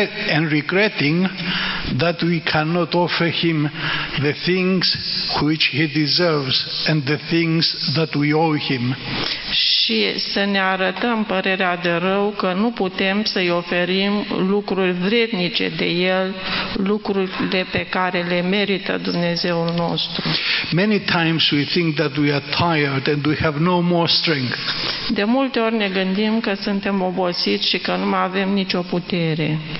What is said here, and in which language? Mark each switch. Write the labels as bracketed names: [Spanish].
[English] And regretting that we cannot offer him the things which he deserves and the things that we owe him. [Romanian] Și să ne arătăm părerea de rău că nu putem să-i oferim lucruri vrednice de el, lucrurile pe care le merită Dumnezeul nostru. [English] Many times we think that we are tired and we have no more strength. [Romanian] De multe ori ne gândim că suntem obosiți și că nu mai avem nicio putere.